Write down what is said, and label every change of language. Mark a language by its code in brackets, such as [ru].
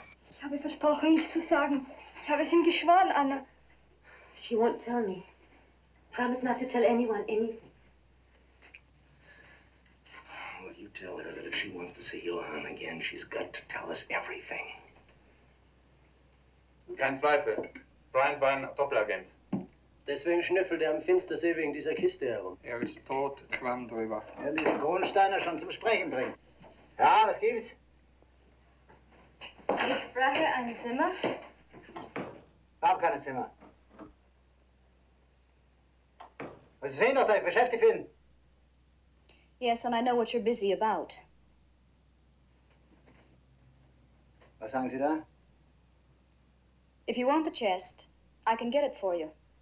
[de] Ich habe versprochen, nichts zu sagen. Ich habe es ihm geschworen, Anna. [en] She won't tell me. Promise not to tell anyone anything. Well, you tell her that if she wants to see Johan again, she's got to tell us everything. [de] Kein Zweifel. Bryant war ein Doppelagent. Deswegen schnüffelt am Finstersee wegen dieser Kiste herum. Ist tot, Quamm drüber. Wir werden diesen Kronsteiner schon zum Sprechen bringen. Ja, was gibt's? Ich brauche ein Zimmer. Ich hab keine Zimmer. Und Sie sehen doch, dass ich beschäftigt bin. [en] Yes, and I know what you're busy about. [de] Was sagen Sie da? [en] If you want the chest, I can get it for you.